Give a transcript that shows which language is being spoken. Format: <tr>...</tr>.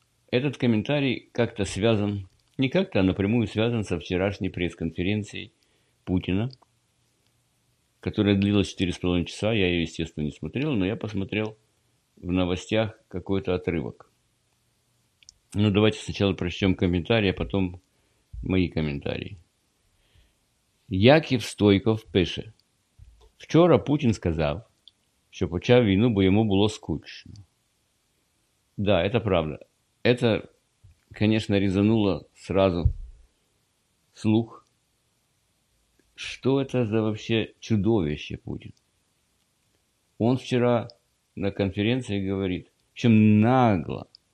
<ru>Этот комментарий как-то связан, не как-то, а напрямую связан со вчерашней пресс-конференцией Путина, которая длилась 4,5 часа, я ее, естественно, не смотрел, но я посмотрел в новостях какой-то отрывок. Ну, давайте сначала прочтем комментарии, а потом мои комментарии.</ru> <uk>Яків Стойков пише. Вчора Путин сказав, що почав війну, бо йому було скучно.</uk> <ru>Да, это правда. Это, конечно, резануло сразу слух. Что это за вообще чудовище Путин? Он вчера на конференции говорит, причем нагло.</ru>